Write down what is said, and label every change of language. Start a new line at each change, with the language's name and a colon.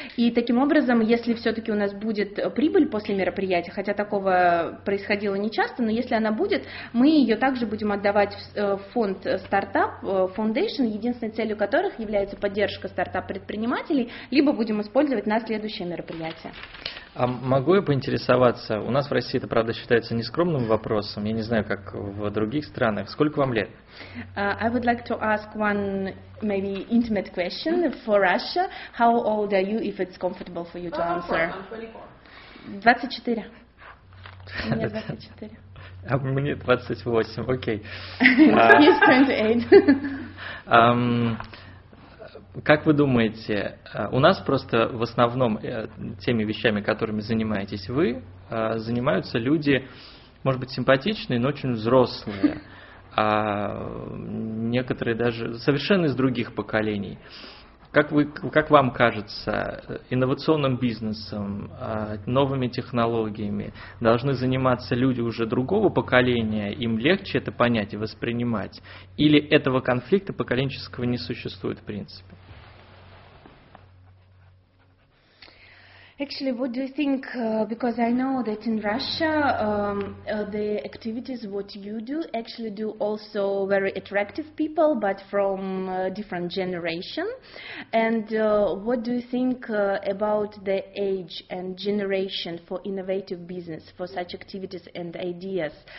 Russian: И таким образом, если все-таки у нас будет прибыль после мероприятия, хотя такого происходило не часто, но если она будет, мы ее также будем отдавать в фонд стартап, фондейшн, единственной целью которых является поддержка стартап-предпринимателей, либо будем использовать на следующее мероприятие. А могу я поинтересоваться, у нас в России это, правда, считается нескромным вопросом, я не знаю, как в других странах, сколько вам лет?
English: I would like to ask one maybe intimate question for Russia. How old are you, if it's comfortable for you to answer? I'm 24.
Russian: 24. Мне 24. А мне 28, окей.
English: He's 28.
Russian: Как вы думаете, у нас просто в основном теми вещами, которыми занимаетесь вы, занимаются люди, может быть, симпатичные, но очень взрослые. Некоторые даже совершенно из других поколений. Как вам кажется, инновационным бизнесом, новыми технологиями должны заниматься люди уже другого поколения, им легче это понять и воспринимать? Или этого конфликта поколенческого не существует в принципе?
English: Actually, what do you think, because I know that in Russia the activities what you do actually do also very attractive people, but from different generation. And what do you think about the age and generation for innovative business, for such activities and ideas?